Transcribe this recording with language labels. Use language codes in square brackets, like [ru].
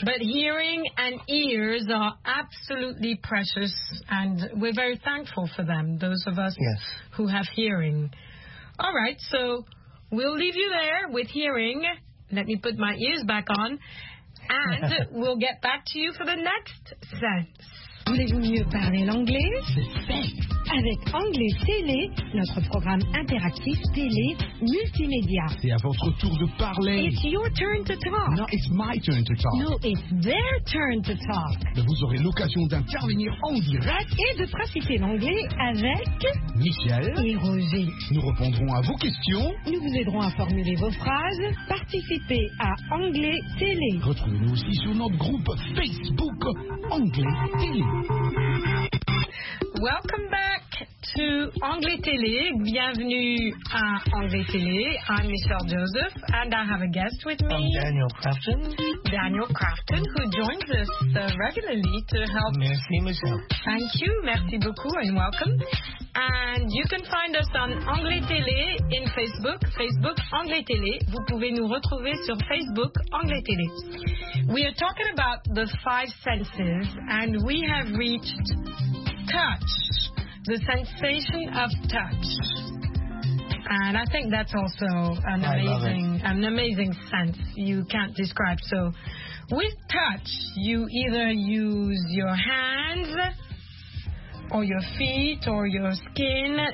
[en] But hearing and ears are absolutely precious, and we're very thankful for them, those of us yes. who have hearing. All right, so we'll leave you there with hearing. Let me put my ears back on, and we'll get back to you for the next sense. [fr] Voulez-vous mieux parler l'anglais? Avec Anglais Télé, notre programme interactif télé multimédia. C'est à votre tour de parler. It's your turn to talk. No, it's my turn to talk. No, it's their turn to talk. Vous aurez l'occasion d'intervenir en direct et de pratiquer l'anglais avec Michel et Roger. Nous répondrons à vos questions. Nous vous aiderons à formuler vos phrases. Participez à Anglais Télé. Retrouvez-nous aussi sur notre groupe Facebook Anglais Télé. [en] Welcome back to Anglais Télé. [fr] Bienvenue à Anglais Télé. [en] I'm Michelle Joseph, and I have a guest with me. I'm Daniel Crafton. Daniel Crafton, who joins us regularly to help. [fr] Merci, Michelle. [en] Thank you. [fr] Merci beaucoup, [en] and welcome. And you can find us on Anglais Télé in Facebook. [fr] Facebook, Anglais Télé. Vous pouvez nous retrouver sur Facebook, Anglais Télé. [en] We are talking about the five senses, and we have reached... touch, the sensation of touch. And I think that's also an amazing sense you can't describe. So with touch, you either use your hands or your feet or your skin.